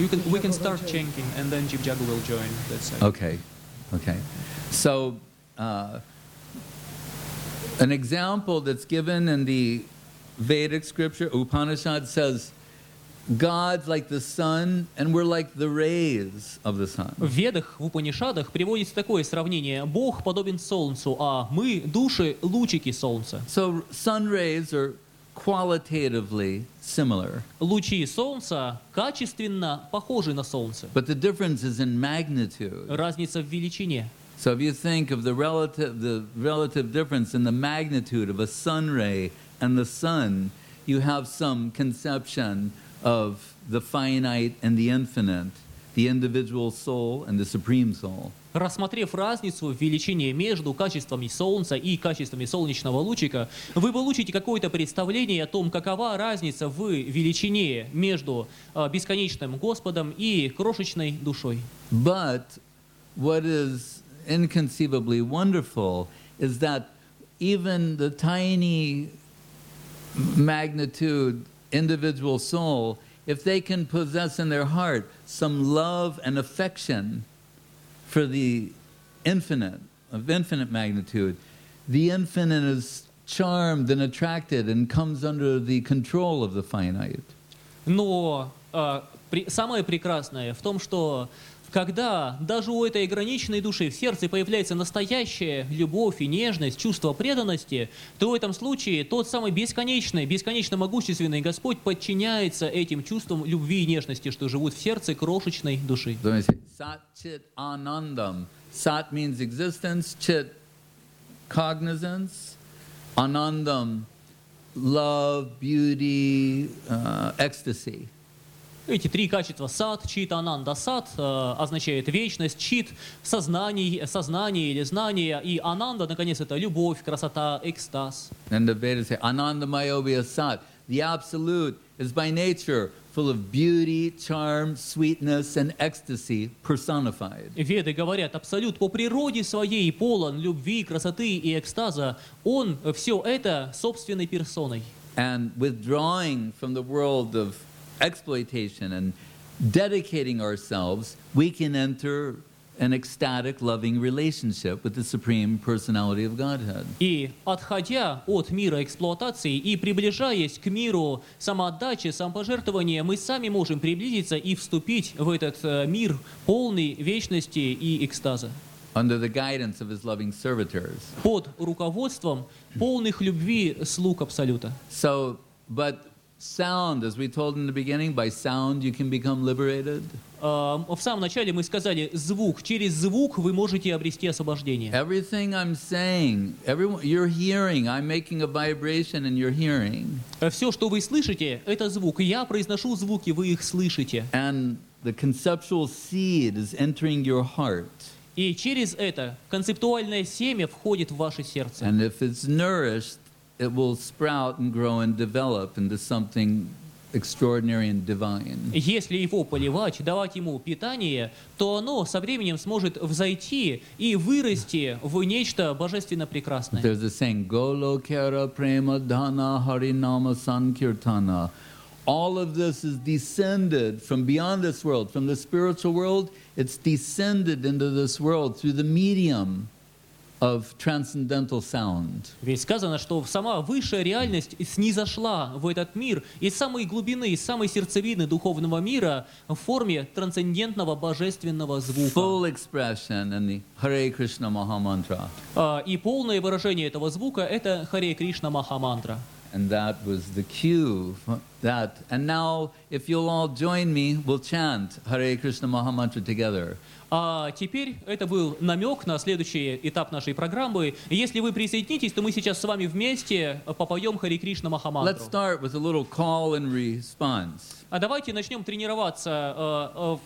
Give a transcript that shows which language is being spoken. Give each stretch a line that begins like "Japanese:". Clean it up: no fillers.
English: We can start chanting, and then Jibjaga will join. That's it. Okay. So, an example that's given in the Vedic scripture, Upanishad says, God's like the sun, and we're like the rays of the sun.
Russian: В Ведах, в Упанишадах, приводится такое сравнение. Бог подобен солнцу, а мы, души, лучики солнца.
English: So sun rays are qualitatively similar.
Russian: Лучи солнца качественно похожи на солнце.
English: But the difference is in magnitude.
Russian: Разница в величине.
English: So if you think of the relative difference in the magnitude of a sun ray and the sun, you have some conception of the finite and the infinite, the individual soul and the supreme soul.
Russian: Рассмотрев разницу в величине между качествами солнца и качествами солнечного лучика, вы получите какое-то представление о том, какова разница в величине между бесконечным Господом и крошечной душой.
English: But what is inconceivably wonderful is that even the tiny magnitude individual soul, if they can possess in their heart some love and affection for the infinite, of infinite magnitude, the infinite is charmed and attracted and comes under the control of the finite.
Russian: Но самое прекрасное в том, что когда даже у этой ограниченной души в сердце появляется настоящая любовь и нежность, чувство преданности, то в этом случае тот самый бесконечный, бесконечно могущественный Господь подчиняется этим чувствам любви и нежности, что живут в сердце крошечной души.
English: Сатчит анандам. Сат means existence, чит – cognizance, анандам – love, beauty, ecstasy.
Russian: Эти три качества – сад, чит, ананда. Сад означает вечность, чит – сознание или знание, и ананда, наконец, это любовь, красота, экстаз.
English: And the Vedas say, ananda mayobhya sat. The absolute is by nature full of beauty, charm, sweetness, and ecstasy personified.
Russian: Веды говорят, абсолют по природе своей полон любви, красоты и экстаза. Он все это собственной персоной.
English: And withdrawing from the world of exploitation and dedicating ourselves, we can enter an ecstatic, loving relationship with the Supreme Personality of Godhead.
Russian: И отходя от мира эксплуатации и приближаясь к миру самоотдачи, самопожертвования, мы сами можем приблизиться и вступить в этот мир полный вечности и экстаза.
English: Under the guidance of his loving servitors.
Russian: Под руководством полных любви слуг Абсолюта.
English: So, but sound, as we told in the beginning, by sound you can become liberated.
Russian: В самом начале мы сказали, звук. Через звук вы можете обрести освобождение.
English: Everything I'm saying, everyone, you're hearing. I'm making a vibration, and you're hearing.
Russian: Все, что вы слышите, это звук. Я произношу звуки, вы их слышите.
English: And the conceptual seed is entering your heart.
Russian: И через это концептуальное семя входит в ваше сердце.
English: And if it's nourished, it will sprout and grow and develop into something extraordinary and divine.
Russian: Если его поливать, давать ему питание, то оно со временем сможет взойти и вырасти в нечто божественно прекрасное.
English: There's a saying, Golokera Prema Dhana Harinama Sankirtana. All of this is descended from beyond this world, from the spiritual world. It's descended into this world through the medium of transcendental sound.
Russian: Ведь сказано, что сама высшая реальность снизошла в этот мир из самой глубины, из самой сердцевины духовного мира в форме трансцендентного божественного звука.
English: Full expression in the Hare Krishna Maha Mantra.
Russian: И полное выражение этого звука – это Hare Krishna Maha Mantra.
English: And that was the cue for that. And now, if you'll all join me, we'll chant Hare Krishna Maha Mantra together.
Russian: А теперь это был намек на следующий этап нашей программы. Если вы присоединитесь, то мы сейчас с вами вместе попоем Hare Krishna Maha Mantra.
English: Let's start with a little call and response.
Russian: А давайте начнем тренироваться.